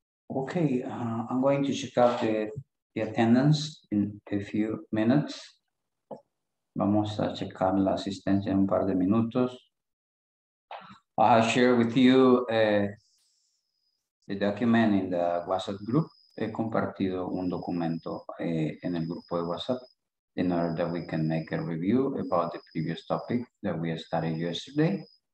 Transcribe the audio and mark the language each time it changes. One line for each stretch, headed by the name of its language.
English: Okay, I'm going to check out the attendance in a few minutes.
Spanish: Vamos a checar la asistencia en un par de minutos.
English: I have shared with you the document in the WhatsApp group.
Spanish: He compartido un documento en el grupo de WhatsApp
English: in order that we can make a review about the previous topic that we studied yesterday.